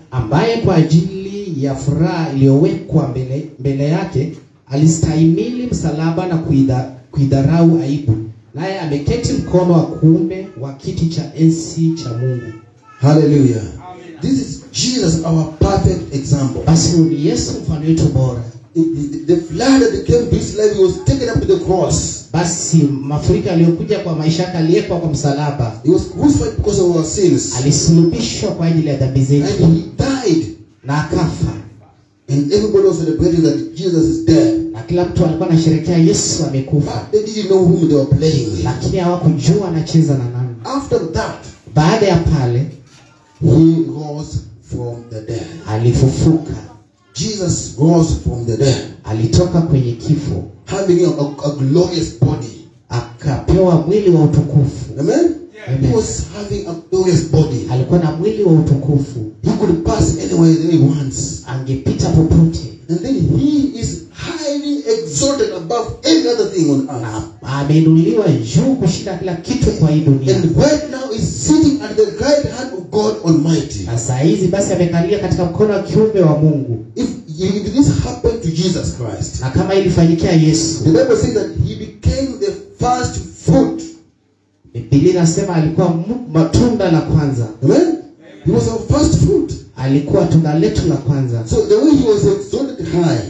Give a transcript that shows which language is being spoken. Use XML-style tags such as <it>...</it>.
<sw>Ambaye kwa ajili ya furaha iliyowekwa mbele yake alistahimili msalaba na kuidharau aibu, naye ameketi mkono wa kuume wa kiti cha enzi cha Mungu.</sw> <en>Hallelujah. This is Jesus, our perfect example.</en> <sw>Basi ni Yesu mfano wetu bora.</sw> <en>The flood that came to his life, he was taken up to the cross.</en> <sw>Basi mafuriko aliyokuja kwa maisha yake aliyekuwa kwa msalaba.</sw> <en>He was crucified because of our sins.</en> <sw>Alisulubishwa kwa ajili ya dhambi zetu.</sw> <en>And he died.</en> <sw>Na akafa.</sw> <en>And everybody was celebrating that Jesus is dead.</en> <sw>Na kila mtu alikuwa anasherehekea Yesu amekufa.</sw> <en>But they didn't know whom they were playing.</en> <sw>Lakini hawakujua anacheza na nani.</sw> <en>After that,</en> <sw>baada ya pale,</sw> <en>he rose from the dead.</en> <sw>Alifufuka.</sw> <en>Jesus rose from the dead.</en> <sw>Alitoka kwenye kifo.</sw> <en>Having a glorious body.</en> <sw>Akapewa mwili wa utukufu.</sw> <en>Amen? Yeah. He was having a glorious body.</en> <sw>Alikuwa na mwili wa utukufu.</sw> <en>He could pass anywhere that he wants.</en> <sw>Angepita popote.</sw> <en>And then he is highly exalted above any other thing on earth.</en> <sw>Ameinuliwa juu kushinda kila kitu kwa hii dunia.</sw> <en>And right now is sitting at the right hand of God Almighty.</en> <sw>Na saa hizi basi amekalia katika mkono wa kiume wa Mungu.</sw> <en>If this happened to Jesus Christ,</en> <sw>na kama ilifanyikia Yesu,</sw> <en>the Bible says that he became the first fruit.</en> <sw>Biblia inasema alikuwa matunda la kwanza.</sw> <en>Amen? He was our first fruit.</en> <sw>alikuwa tunaletu na kwanza.</sw> <en>So the way he was exalted high,</en>